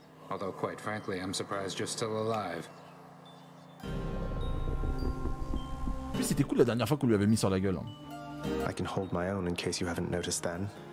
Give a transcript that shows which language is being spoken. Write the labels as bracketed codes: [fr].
[en] Although quite frankly, I'm surprised you're still alive. [fr] Puis c'était cool la dernière fois qu'on lui avait mis sur la gueule. [en] I can hold my own in case you haven't noticed then.